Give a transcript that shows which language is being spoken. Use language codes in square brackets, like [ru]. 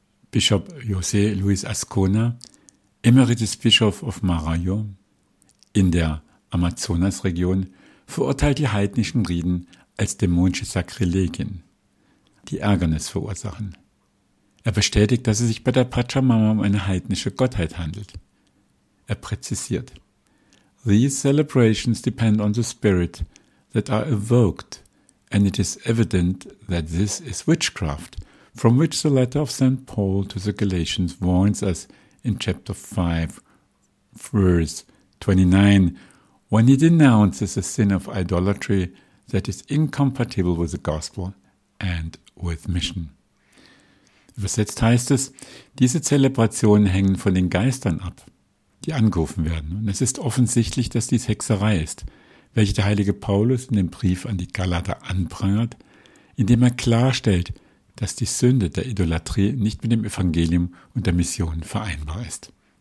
[de] Bischof José Luis Ascona, Emeritus Bischof of Maranhão in der Amazonasregion, verurteilt die heidnischen Riten als dämonische Sakrilegien, die Ärgernis verursachen. Er bestätigt, dass es sich bei der Pachamama um eine heidnische Gottheit handelt. Er präzisiert: [en] These celebrations depend on the spirit that are evoked, and it is evident that this is witchcraft, from which the letter of St. Paul to the Galatians warns us in chapter 5, verse 29, when he denounces a sin of idolatry that is incompatible with the gospel and with mission. [de] Übersetzt heißt es, diese Zelebrationen hängen von den Geistern ab. die angerufen werden. Und es ist offensichtlich, dass dies Hexerei ist, welche der heilige Paulus in dem Brief an die Galater anprangert, indem er klarstellt, dass die Sünde der Idolatrie nicht mit dem Evangelium und der Mission vereinbar ist.